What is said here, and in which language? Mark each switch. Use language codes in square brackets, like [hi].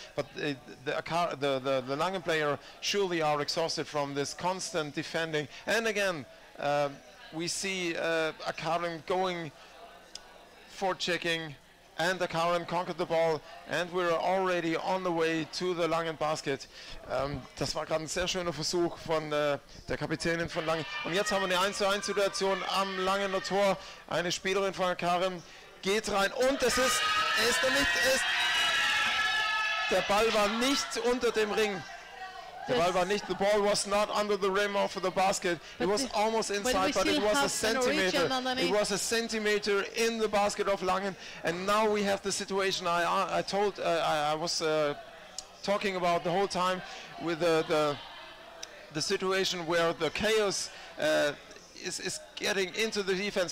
[en] But the Langen player surely are exhausted from this constant defending, and again, we see Akkaren going for checking, and Akkaren conquered the ball, and we're already on the way to the Langen basket. [de] Das war gerade ein sehr schöner Versuch von der Kapitänin von Langen. Und jetzt haben wir eine 1:1 Situation am Langener Tor. Eine Spielerin von Akkaren geht rein, und es ist er nicht, ist der Ball war nicht unter dem Ring. [en] The ball was not under the rim of the basket. But it was almost inside, but it was a centimeter. It was a centimeter in the basket of Langen. And now we have the situation I was talking about the whole time with the situation where the chaos is getting into the defense.